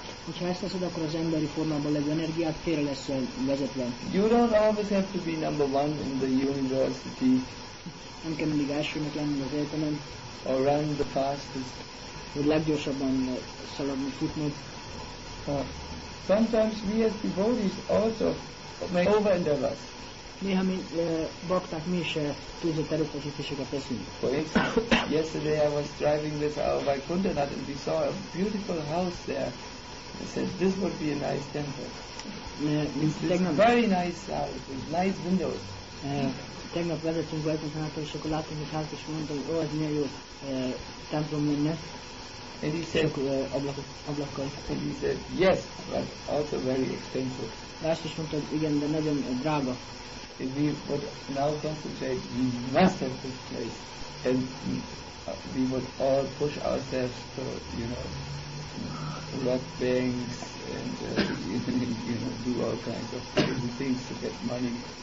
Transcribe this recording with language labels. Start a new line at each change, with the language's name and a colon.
Hungarian: Hogyha ezt teszed, akkor az emberi formában levő energiát félre lesz vezetve.
English: You don't always have to be number one in the university.
Hungarian: Nem kell mindig elsőnek lenni az egyetemen.
English: Or run the fastest.
Hungarian: Hogy leggyorsabban szaladni, futni.
English: Sometimes we as devotees also make over-endeavors.
Hungarian: Néha mi bakták, mi is túlzott erőfeszítéseket teszünk.
English: For instance, yesterday I was driving this hour by Kundanath and we saw a beautiful house there. I said, this would be a nice temple. It's very nice house with nice windows.
Hungarian: Tegnap vezetünk Vajkonszánától, és akkor láttam egy házat, és mondta, hogy ez milyen jó templom lenne.
English: And he said,
Hungarian: ablakkal.
English: And he said, yes, but also very expensive.
Hungarian: László is mondta, hogy igen, de nagyon drága.
English: If we would now concentrate, we must have this place. And we would all push ourselves to, you know, rob banks and you know, do all kinds of crazy things to get money.